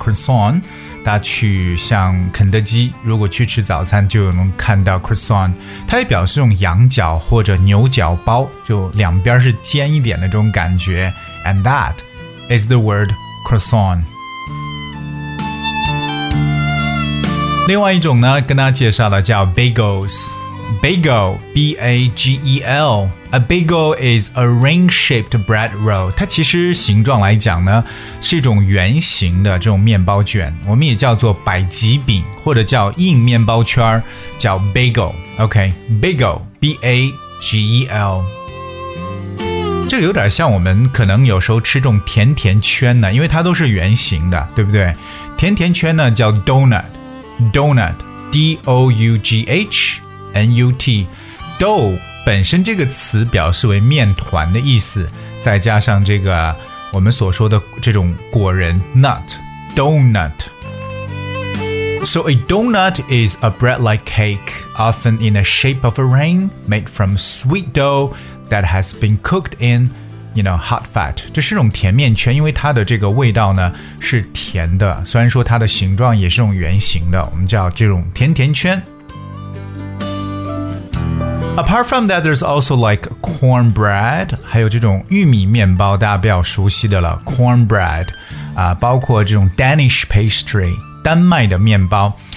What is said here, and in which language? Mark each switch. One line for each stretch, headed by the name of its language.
Chinese: Croissant 大家去像肯德基如果去吃早餐就能看到 Croissant， 它也表示用羊角或者牛角包，就两边是尖一点的这种感觉。
English: And that is the word croissant。
Chinese: 另外一种呢跟大家介绍的叫 bagelsBagel, B-A-G-E-L.
English: A bagel is a ring-shaped bread roll.
Chinese: 它其实形状来讲呢，是一种圆形的这种面包卷。我们也叫做百吉饼，或者叫硬面包圈，叫 bagel.
English: OK, bagel, B-A-G-E-L.
Chinese: 这个有点像我们可能有时候吃这种甜甜圈呢，因为它都是圆形的，对不对？甜甜圈呢叫 donut, donut, D-O-U-G-H. N-U-T Dough 本身这个词表示为面团的意思，再加上这个我们所说的这种果仁 Nut Donut。
English: So a donut is a bread-like cake often in the shape of a ring made from sweet dough that has been cooked in you know, hot fat.
Chinese: 这是一种甜面圈，因为它的这个味道呢是甜的，虽然说它的形状也是种圆形的，我们叫这种甜甜圈。
English: Apart from that, there's also like cornbread,
Chinese: 还有这种玉米面包大家比较熟悉的了 cornbread,包括这种 Danish pastry, 丹麦的面包。